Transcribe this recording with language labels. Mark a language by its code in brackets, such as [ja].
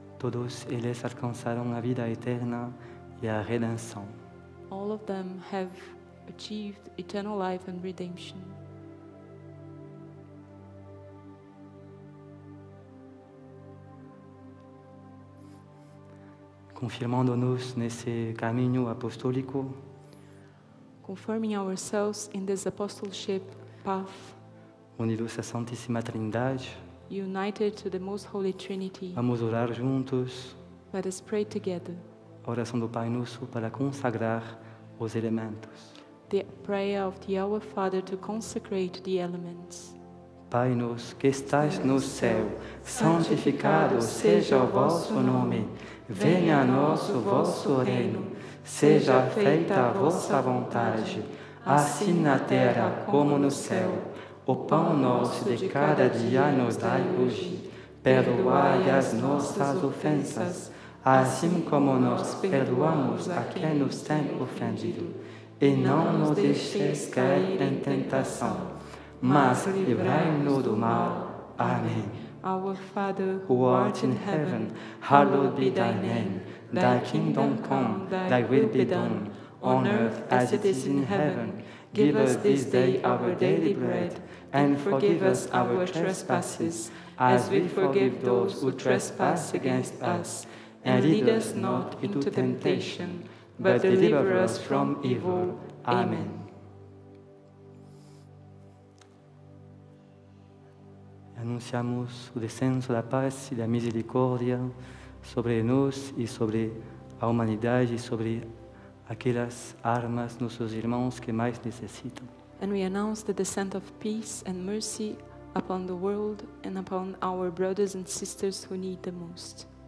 [pt] todos eles alcançaram a vida eterna e a redenção. [en] All of them have achieved eternal life and redemption. [pt] Confirmando-nos nesse caminho apostólico, [en] confirming ourselves in this apostleship path. [pt] Unidos à Santíssima Trindade. [en] United to the Most Holy Trinity. [pt] Vamos orar juntos. [en] Let us pray together. [pt] A oração do Pai Nosso para consagrar os elementos. [en] The prayer of the Our Father to consecrate the elements. [pt] Pai Nosso que estás no céu, santificado seja o vosso nome. Venha a nós o vosso reino. Seja feita a vossa vontade, assim na terra como no céu. O pão nosso de cada dia nos dai hoje. Perdoai as nossas ofensas, assim como nós perdoamos a quem nos tem ofendido. E não nos deixeis cair em tentação, mas livrai-nos do mal. Amém. [en] Our Father, who art in heaven, hallowed be thy name. Thy kingdom come, thy will be done, on earth as it is in heaven. Give us this day our daily bread, and forgive us our trespasses, as we forgive those who trespass against us. And lead us not into temptation, but deliver us from evil. Amen. [pt] Anunciamos o descenso da paz e da misericórdia sobre nós e sobre a humanidade e sobre aquelas armas nossos irmãos que mais necessitam. [en] And we announce the descent of peace and mercy upon the world and upon our brothers and sisters who need the most.